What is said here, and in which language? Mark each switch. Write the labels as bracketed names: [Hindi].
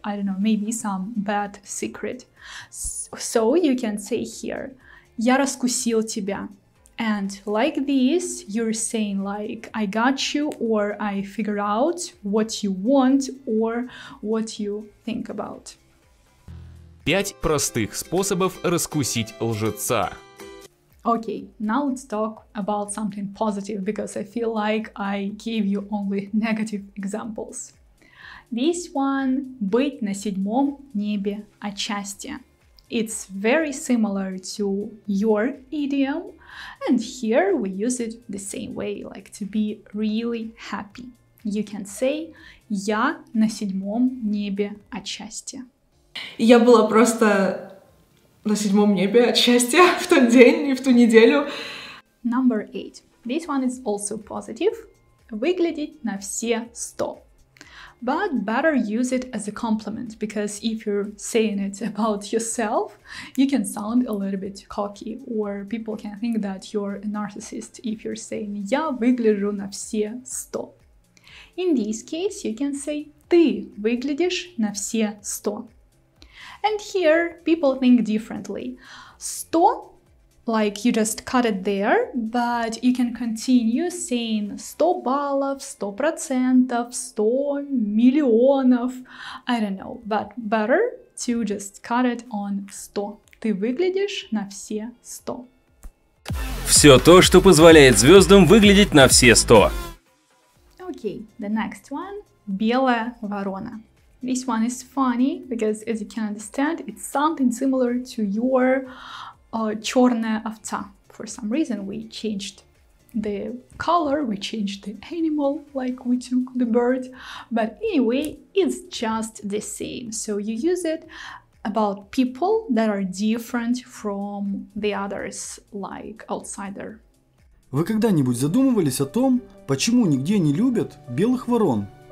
[English] I don't know, maybe some bad secret. So you can say here, [Russian] я раскусил тебя. [English] And like this, you're saying like, I got you, or I figure out what you want or what you think about. [Russian] Пять простых способов раскусить лжеца. [English] Okay, now let's talk about something positive, because I feel like I gave you only negative examples. This one, [Russian] быть на седьмом небе от счастья. [English] It's very similar to your idiom, and here we use it the same way, like to be really happy. You can say, [Russian] я на седьмом небе от счастья. Я была просто на седьмом небе от счастья в тот день и в ту неделю. [English] Number 8. This one is also positive. [Russian] Выглядеть на все сто. [English] But better use it as a compliment, because if you're saying it about yourself, you can sound a little bit cocky, or people can think that you're a narcissist if you're saying [Russian] я выгляжу на все сто. [English] In this case, you can say [Russian] ты выглядишь на все сто. [English] And here, people think differently. Сто, like you just cut it there, but you can continue saying [Russian] 100 баллов, 100%, 100 миллионов, [English] I don't know, but better to just cut it on 100. [Russian] Ты выглядишь на все 100. Все то, что позволяет звездам выглядеть на все 100. [English] Okay, the next one. [Russian] Белая ворона. [English] This one is funny, because as you can understand, it's something similar to your [Russian] чёрная овца. [English] For some reason, we changed the color, we changed the animal, like we took the bird. But anyway, it's just the same. So you use it about people that are different from the others, like outsider. [Russian] Вы когда-нибудь задумывались о том, почему нигде не любят белых ворон?